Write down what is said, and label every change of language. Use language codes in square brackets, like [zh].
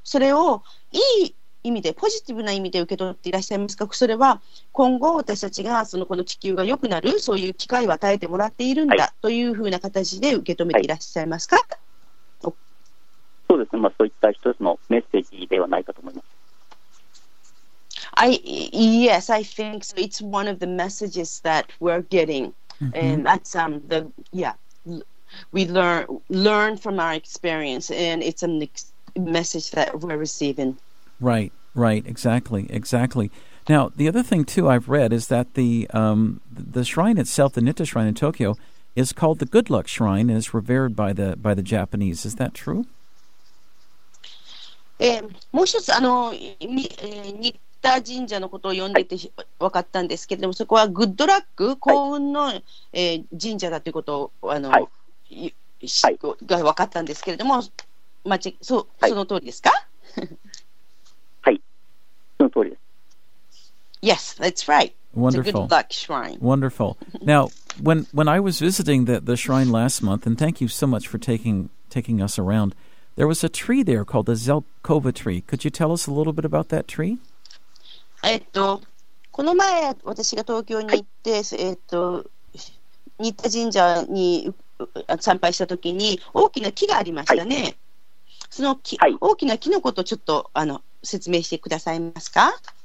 [ja] それをいい意味でポジティブな意味で受け取っていらっしゃいますか。それは今後私たちがそのこの地球が良くなるそういう機会を与えてもらっているんだというふうな形で受け止めていらっしゃいますか。はいはい、そうですね、まあ、そういった一つのメッセージではないかと思います。 [en] Yes, I think so. It's one of the messages that we're getting、mm-hmm. and that's the yeah we learn from our experience and it's a message that we're receiving Right, right, exactly, exactly. Now, the other thing, too, I've read is that the shrine itself, the Nitto Shrine in Tokyo, is called the Good Luck Shrine and is revered by the Japanese. Is that true? [ja] もう一つ、ニッタ神社のことを読んでいて分かったんですけれども、そこはグッドラック、幸運の、神社だということを、が分かったんですけれども、その通りですか？ [en] Yes, that's right. Wonderful. It's a good luck shrine. Wonderful. Now, when I was visiting the shrine last month, and thank you so much for taking us around, there was a tree there called the Zelkova tree. Could you tell us a little bit about that tree? [ja] この前私が東京に行って、新田神社に参拝した時に大きな木がありましたね。その木、大きな木のことをちょっと説明してくださいますか。